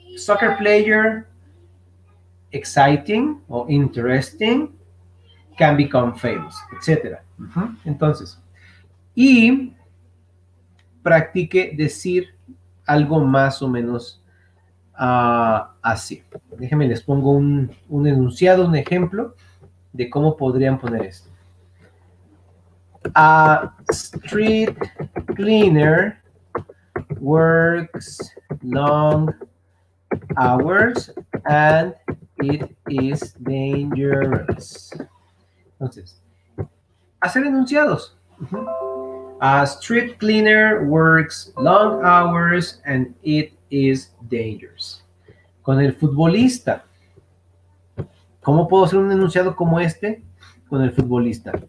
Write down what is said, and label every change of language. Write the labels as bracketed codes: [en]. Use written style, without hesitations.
[en] Soccer player, exciting o interesting, can become famous, etc. [es] Entonces, y practique decir algo más o menos así. Déjenme les pongo un enunciado, un ejemplo de cómo podrían poner esto. [en] A street cleaner works long hours and it is dangerous. [es] Entonces, hacer enunciados. [en] A street cleaner works long hours and it is dangerous. [es] Con el futbolista. ¿Cómo puedo hacer un enunciado como este con el futbolista?